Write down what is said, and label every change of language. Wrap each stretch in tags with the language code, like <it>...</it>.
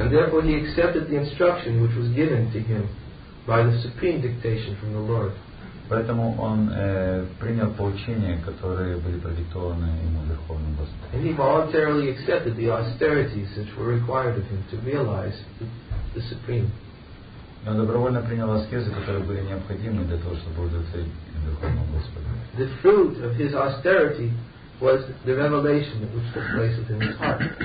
<en>And therefore he accepted the instruction which was given to him by the supreme dictation from the Lord.</en> <ru>Поэтому он принял поучения, которые были продиктованы ему Верховным Господом.</ru> <en>And he voluntarily accepted the austerities which were required of him to realize the supreme.</en> <ru>Но добровольно принял аскезы, которые были необходимы для того, чтобы удовлетворить Верховного Господа.</ru> <en>The fruit of his austerity was the revelation which took place within his heart.</en>